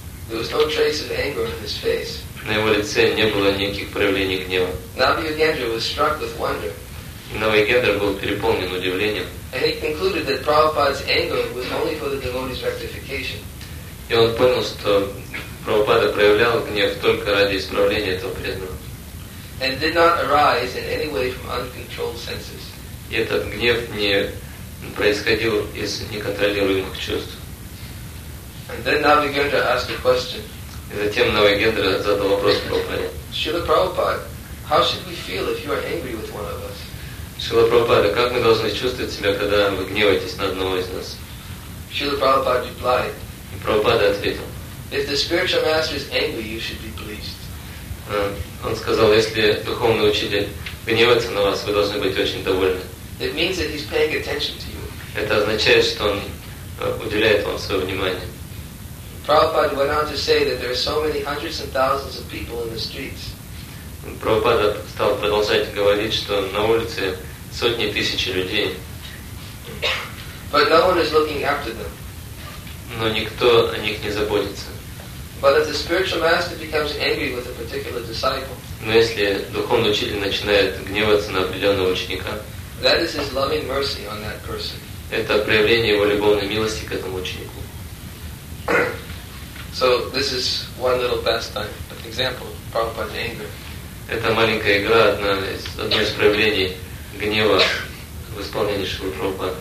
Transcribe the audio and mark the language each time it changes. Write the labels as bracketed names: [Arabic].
[English] There was no trace of anger on his face. [Russian] На его лице не было никаких проявлений гнева. [English] Navyugendra was struck with wonder. [Russian] Навьюгендра был переполнен удивлением. [English] And he concluded that Prabhupada's anger was only for the devotee's rectification. [Russian] И он понял, что Прабхупада проявлял гнев только ради исправления этого преданного. [English] And did not arise in any way from uncontrolled senses. [Russian] И этот гнев не происходил из неконтролируемых чувств. [English] And then Navyugendra asked a question. [Russian] И затем Навьюгендра задал вопрос Прабхупаде. [English] Srila Prabhupada, how should we feel if you are angry with one of us? [Russian] Srila Prabhupada, как мы должны чувствовать себя, когда вы гневаетесь на одного из нас? [English] Srila Prabhupada replied. [Russian] И Прабхупада ответил. [English] If the spiritual master is angry, you should be pleased. [Russian] Он сказал, если духовный учитель гневается на вас, вы должны быть очень довольны. [English] It means that he's paying attention to you. [Russian] Это означает, что он уделяет вам свое внимание. [English] Prabhupada went on to say that there are so many hundreds and thousands of people in the streets. [Russian] Prabhupada стал продолжать говорить, что на улице сотни тысяч людей. [English] But no one is looking after them. [Russian] Но никто о них не заботится. [English] But if the spiritual master becomes angry with a particular disciple, [Russian] но если духовный учитель начинает гневаться на определенного ученика, [English] that is his loving mercy on that person. [Russian] Это проявление его любовной милости к этому ученику. [English] So this is one little pastime, an example of Prabhupada's anger. [Russian] Это маленькая игра, одно из проявлений гнева в исполнении Шрилы Прабхупады.